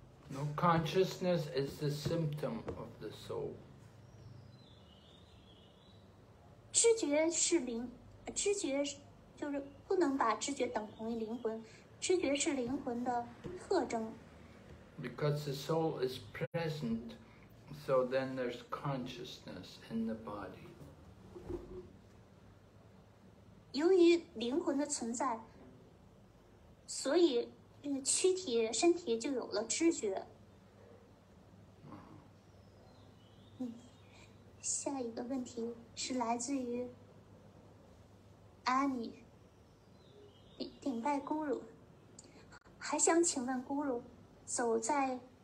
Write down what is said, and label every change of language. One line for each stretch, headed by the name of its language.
English: No, consciousness is the symptom of the soul.
Chinese: 知觉是灵，知觉就是不能把知觉等同于灵魂。知觉是灵魂的特征。
English: Because the soul is present, so then there's consciousness in the body.
Chinese: 由于灵魂的存在，所以躯体、身体就有了知觉。下一个问题是来自于阿尼，顶拜 Guru。还想请问 Guru 走在